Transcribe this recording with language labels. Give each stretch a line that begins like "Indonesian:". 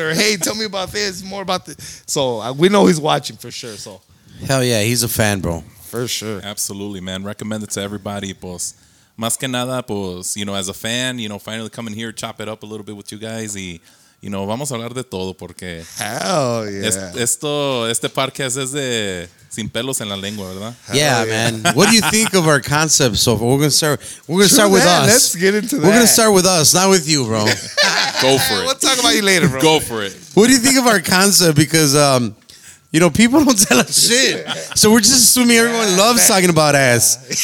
English: Or, hey, tell me about this, more about this. So we know he's watching for sure. So. Hell yeah, he's a fan, bro. For sure. Absolutely, man. Recommend it to everybody, pues.
Spanish: Más que nada, pues,
English: you know, as a fan, you know, finally coming here, chop it up a little bit with you guys.
Spanish: Y,
English: you know,
Spanish: vamos a hablar de todo, porque...
English: Hell yeah.
Spanish: Este podcast es de sin pelos en la lengua, ¿verdad?
English: Yeah, man. What do you think of our concept so far? We're going to start with us. Let's get into that. We're going to start with us, not with you, bro. Go for it. We'll talk about you later, bro. Go for it. What do you think of our concept? Because... you know, people don't tell us shit. So we're just assuming everyone loves talking about ass.